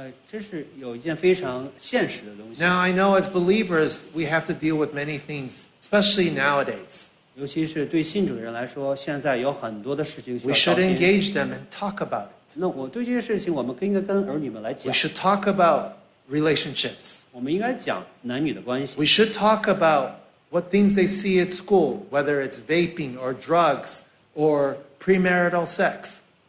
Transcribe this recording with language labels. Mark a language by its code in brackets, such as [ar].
[zh] 这是有一件非常现实的东西。 [en] Now, I know as believers, we have to deal with many things, especially nowadays. [zh] 尤其是对信主的人来说, 现在有很多的事情需要到信主。 [en] We should engage them and talk about it. [zh] 那我对这些事情我们应该跟儿女们来讲。 [en] We should talk about relationships. [zh] 我们应该讲男女的关系。 [en] We should talk about what things they see at school, whether it's vaping or drugs or premarital sex.